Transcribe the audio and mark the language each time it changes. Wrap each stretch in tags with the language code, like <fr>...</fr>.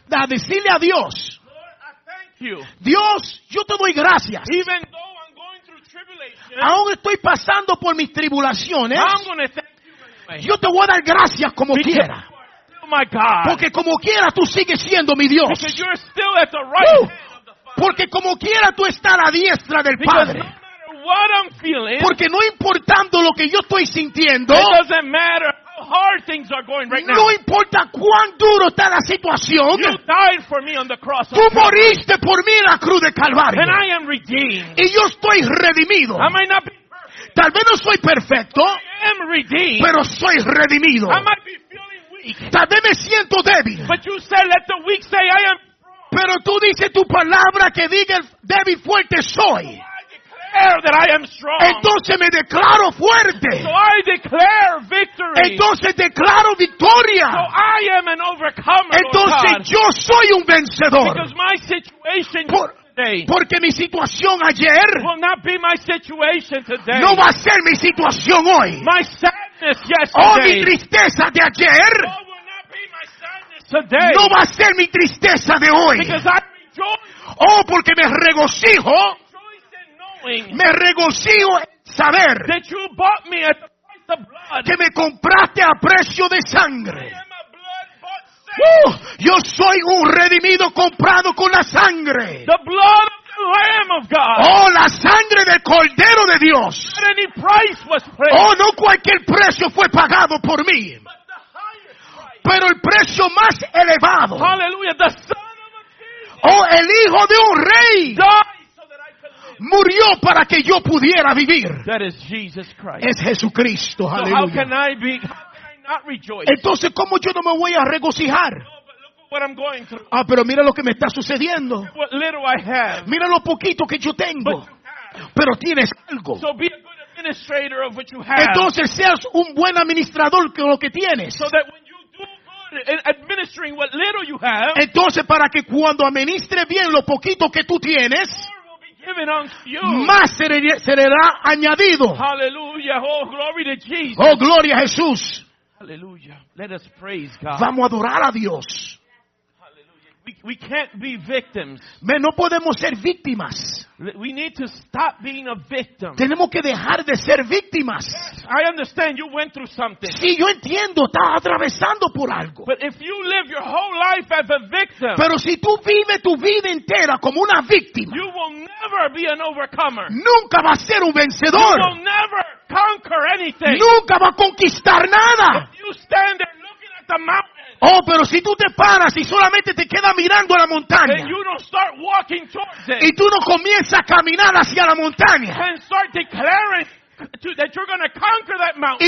<es>A decirle a Dios. Dios, yo te doy gracias.</es> <en>Even though I'm going through tribulation,</en> <es>aún estoy pasando por mis tribulaciones.</es> <en>I'm gonna thank you anyway.</en> <es>Yo te voy a dar gracias como</es> <en>because</en> <es>quiera.</es> <en>My God.</en> <es>Porque como quiera tú sigues siendo mi Dios.</es> <en>Because you're still at the right hand of the Father.</en> <es>Porque como quiera tú estás a la diestra del Padre.</es> <en>Because no matter what I'm feeling,</en> <es>porque no importando lo que yo estoy sintiendo,</es> <en>it doesn't matter how hard things are going right now.</en> <es>No importa cuán duro está la situación.</es> <en>You died for me on the cross.</en> <es>Tú moriste por mí en la cruz de Calvario.</es> <en>And I am redeemed.</en> <es>Y yo estoy redimido.</es> <en>I might not be perfect.</en> <es>Tal vez no soy perfecto.</es> <en>I am redeemed.</en> <es>Pero soy redimido.</es> <en>I might be feeling weak.</en> <es>Tal vez me siento débil.</es> <en>But you said, let the weak say, I am strong.</en> <es>Pero tú dices tu palabra que diga el débil fuerte soy.</es> <en>That I am strong.</en> <es>Entonces me declaro fuerte.</es> <en>So I declare victory.</en> <es>Entonces declaro victoria.</es> <en>So I am an overcomer.</en> <es>Entonces</es> <en>God.</en> <es>Yo soy un vencedor.</es> <en>Because my situation today.</en> <es>Porque mi situación ayer.</es> <en>Will not be my situation today.</en> <es>No va a ser mi situación hoy.</es> <en>My sadness yesterday.</en> <es>Oh, mi tristeza de ayer.</es> <en>Oh, will not be my sadness today.</en> <es>No va a ser mi tristeza de hoy.</es> <en>Because I rejoice.</en> <es>Oh, porque me regocijo. Me regocijo saber</es> <en>that you bought me at the price of blood.</en> <es>Que me compraste a precio de sangre.</es> <en>I am a blood-bought saint.</en> <es>Yo soy un redimido comprado con la sangre.</es> <en>The blood of the Lamb of God.</en> <es>Oh, la sangre del Cordero de Dios.</es> <en>Not any price was paid.</en> <es>Oh, no cualquier precio fue pagado por mí.</es> <en>But the highest price.</en> <es>Pero el precio más elevado.</es> <en>Hallelujah, the son of a king.</en> <es>Oh, el hijo de un rey.</es> <en>God.</en> <es>Murió para que yo pudiera vivir.</es> <en>That is Jesus Christ.</en> <es>Es Jesucristo. Aleluya.</es> <en>So how can I be? How can I not rejoice?</en> <es>Entonces, ¿cómo yo no me voy a regocijar?</es> <en>What I'm going through.</en> <es>Ah, pero mira lo que me está sucediendo.</es> <en>What little I have.</en> <es>Mira lo poquito que yo tengo. Pero tienes algo.</es> <en>So be a good administrator of what you have.</en> <es>Entonces seas un buen administrador de lo que tienes.</es> <en>So that when you do good, administering what little you have.</en> <es>Entonces para que cuando administres bien lo poquito que tú tienes.</es> <en>Given unto you.</en> <es>Más será añadido.</es> <en>Hallelujah. Oh, glory to Jesus.</en> <es>Oh, gloria a Jesús.</es> <en>Hallelujah. Let us praise God.</en> <es>Vamos a adorar a Dios.</es> <en>Hallelujah. We can't be victims.</en> <es>Men, no podemos ser víctimas.</es> <en>We need to stop being a victim.</en> <es>Tenemos que dejar de ser víctimas.</es> <en>Yes, I understand you went through something.</en> <es>Sí, yo entiendo, estás atravesando por algo.</es> <en>But if you live your whole life as a victim.</en> <es>Pero si tú vives tu vida entera como una víctima.</es> <en>You will never be an overcomer.</en> <es>Nunca vas a ser un vencedor.</es> <en>You will never conquer anything.</en> <es>Nunca vas a conquistar nada.</es> <en>If you stand there looking at the mountain.</en> <es>Oh, pero si tú te paras y solamente te quedas mirando a la montaña</es> <en>and you don't start walking towards it,</en> <es>y tú no comienzas a caminar hacia la montaña</es> <en>and start declaring to, that you're gonna conquer that mountain,</en>